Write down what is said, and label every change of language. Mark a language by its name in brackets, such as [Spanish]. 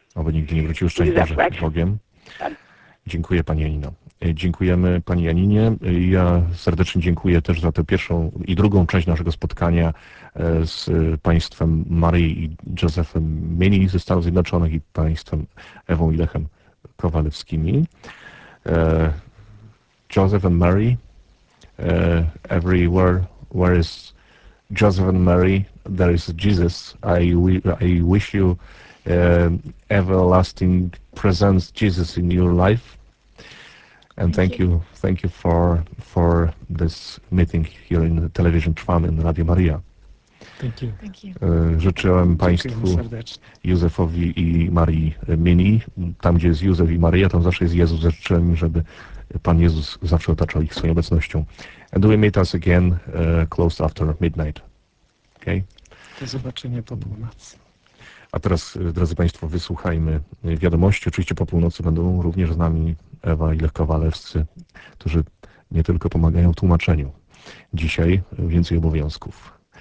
[Polish] Oby nigdy nie wrócił. Szczęść Boże. Bogiem. Dziękuję Pani Janino. Dziękujemy Pani Janinie. Ja serdecznie dziękuję też za tę pierwszą i drugą część naszego spotkania z Państwem Maryi i Józefem Mieni ze Stanów Zjednoczonych i Państwem Ewą i Lechem Kowalewskimi. [English] Joseph and Mary, everywhere where is Joseph and Mary, there is Jesus. I wish you everlasting presence Jesus in your life. And thank you for this meeting here in the television Trwam in Radio Maria. Thank you. [Polish] Życzyłem Państwu Józefowi i Marii Mini. Tam, gdzie jest Józef i Maria, tam zawsze jest Jezus. Życzyłem, żeby Pan Jezus zawsze otaczał ich swoją obecnością. [English] And we meet us again close after midnight. Okay? [Polish] Do zobaczenia po północy. A teraz, drodzy Państwo, wysłuchajmy wiadomości. Oczywiście po północy będą również z nami Ewa i Lech Kowalewscy, którzy nie tylko pomagają w tłumaczeniu. Dzisiaj więcej obowiązków.